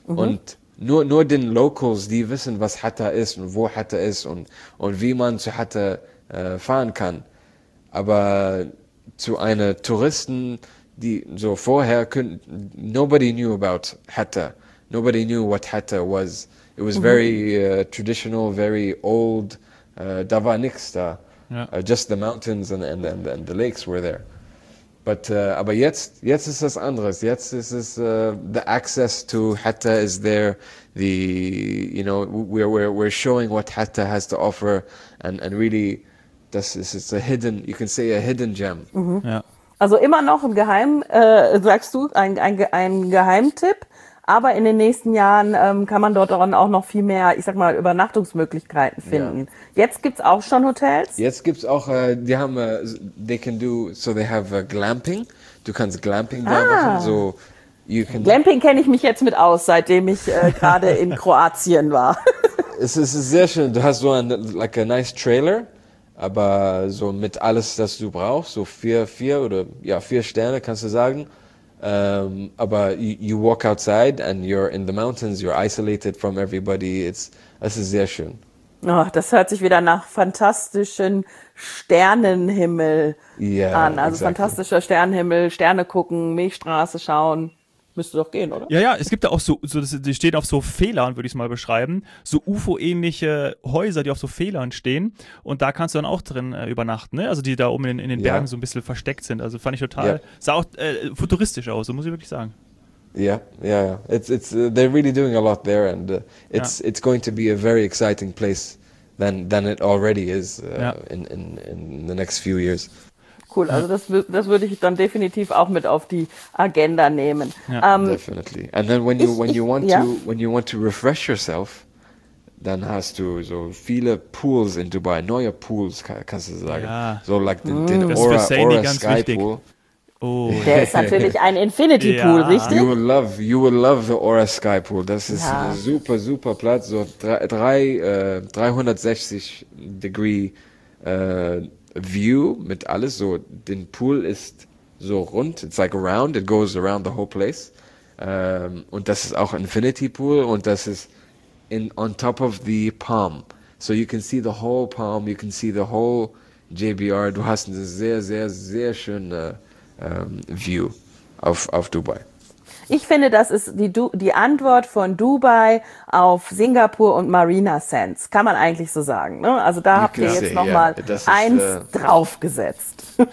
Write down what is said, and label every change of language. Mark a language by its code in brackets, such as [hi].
[de] Und nur den Locals, die wissen, was Hatta ist und wo Hatta ist und wie man zu Hatta fahren kann. Aber zu einer Touristen, die so vorher können, [en] nobody knew about Hatta. Nobody knew what Hatta was. It was very traditional, very old. [de] Da war nix da. [en] Yeah. Just the mountains and the lakes were there. [de] But aber jetzt ist es anderes. Jetzt ist es [en] the access to Hatta is there. The, you know, we're showing what Hatta has to offer, and really [de] das ist, [en] it's a hidden, you can say a hidden gem. Mm-hmm. Yeah. [de] Also immer noch ein Geheim, sagst du, ein Geheimtipp. Aber in den nächsten Jahren kann man dort dann auch noch viel mehr, ich sag mal, Übernachtungsmöglichkeiten finden. Yeah. Jetzt gibt's auch schon Hotels? Jetzt gibt's auch, die haben, [en] they can do, so they have Glamping. [de] Du kannst Glamping da machen. [en] So [de] you can Glamping kenne ich mich jetzt mit aus, seitdem ich gerade in Kroatien war. es ist sehr schön. Du hast so ein [en] like a nice trailer, [de] aber so mit alles, das du brauchst, so vier oder ja, 4 Sterne kannst du sagen. [en] Aber you walk outside and you're in the mountains, you're isolated from everybody. [de] Es ist sehr schön. Oh, das hört sich wieder nach fantastischen Sternenhimmel an. Also exactly. Fantastischer Sternenhimmel, Sterne gucken, Milchstraße schauen. Müsste doch gehen, oder? Ja, es gibt da auch so die stehen auf so Fehlern, würde ich es mal beschreiben. So UFO-ähnliche Häuser, die auf so Fehlern stehen. Und da kannst du dann auch drin übernachten, ne? Also die da oben in den Bergen so ein bisschen versteckt sind. Also fand ich total, sah auch futuristisch aus, so muss ich wirklich sagen. [en] Yeah. It's they're really doing a lot there and it's going to be a very exciting place than it already is in the next few years. [de] Cool, also das würde ich dann definitiv auch mit auf die Agenda nehmen. Ja. [en] Definitely. And then when you want to refresh yourself, [de] dann hast du so viele Pools in Dubai, neue Pools kannst du sagen. Ja. So like den Aura ganz Sky wichtig. Pool. Oh. Der ist natürlich ein Infinity Pool, richtig? [en] You will love the Aura Sky Pool. [de] Das ist ein super, super Platz. So 360-Degree View mit alles. So, den Pool ist so rund. [en] It's like round. It goes around the whole place. [de] Und das ist auch Infinity Pool. Und das ist [en] on top of the palm. So you can see the whole palm. You can see the whole JBR. [de] Du hast eine sehr, sehr, sehr schöne View auf Dubai. Ich finde, das ist die Antwort von Dubai auf Singapur und Marina Sands. Kann man eigentlich so sagen. Ne? Also da habt ihr jetzt nochmal eins draufgesetzt.